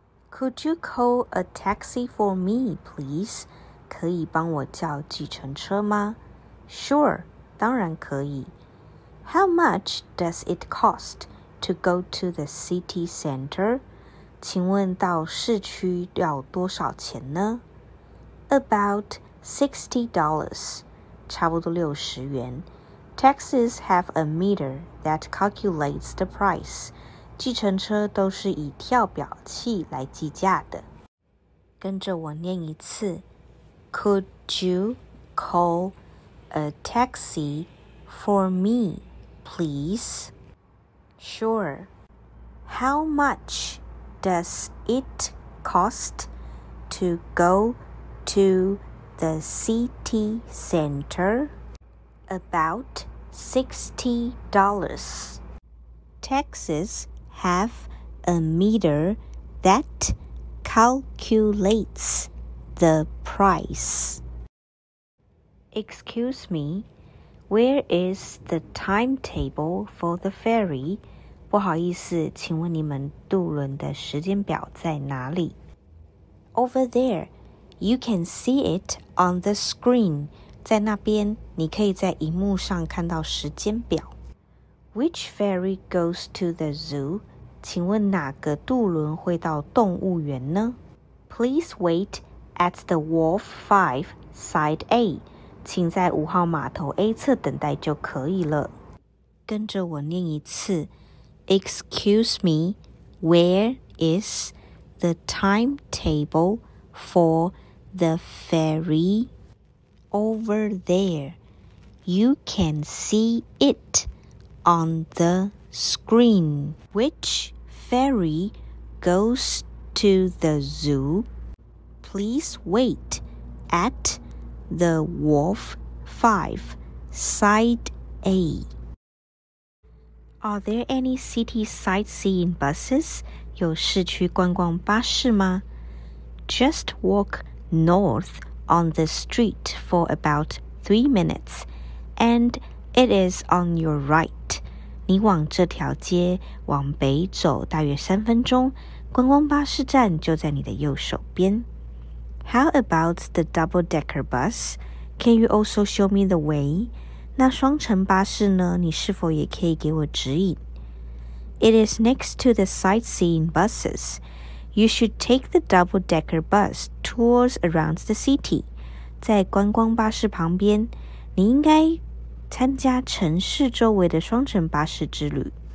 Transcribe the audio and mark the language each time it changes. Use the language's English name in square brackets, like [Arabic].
[English] Could you call a taxi for me, please? [Chinese] 可以帮我叫计程车吗？ [English] Sure, [Chinese] 当然可以。 [English] How much does it cost to go to the city center? [Chinese] 请问到市区要多少钱呢？ [English] About $60. [Chinese] 差不多六十元。 [English] Taxis have a meter that calculates the price. [Chinese] 计程车都是以跳表器来计价的。跟着我念一次 [English] Could you call a taxi for me, please? Sure. How much does it cost to go to the city center? About $60. Taxis have a meter that calculates the price. Excuse me, where is the timetable for the ferry? [Chinese] 不好意思，请问你们渡轮的时间表在哪里？ [English] Over there, you can see it on the screen. [Chinese] 在那边，你可以在荧幕上看到时间表。 [English] Which ferry goes to the zoo? [Chinese] 请问哪个渡轮会到动物园呢？ [English] Please wait at the Wharf 5, Side A. [Chinese] 请在5号码头 A 侧等待就可以了。跟着我念一次。 [English] Excuse me, where is the timetable for the ferry? Over there, you can see it on the screen. Which ferry goes to the zoo? Please wait at the Wharf 5, Side A. Are there any city sightseeing buses? [Chinese] 有市区观光巴士吗？ [English] Just walk north. On the street for about 3 minutes, and it is on your right. [Chinese] 你往这条街往北走大约三分钟，观光巴士站就在你的右手边。 [English] How about the double-decker bus? Can you also show me the way? [Chinese] 那双层巴士呢？你是否也可以给我指引？ [English] It is next to the sightseeing buses. You should take the double-decker bus tours around the city. [Chinese] 在观光巴士旁边，你应该参加城市周围的双层巴士之旅。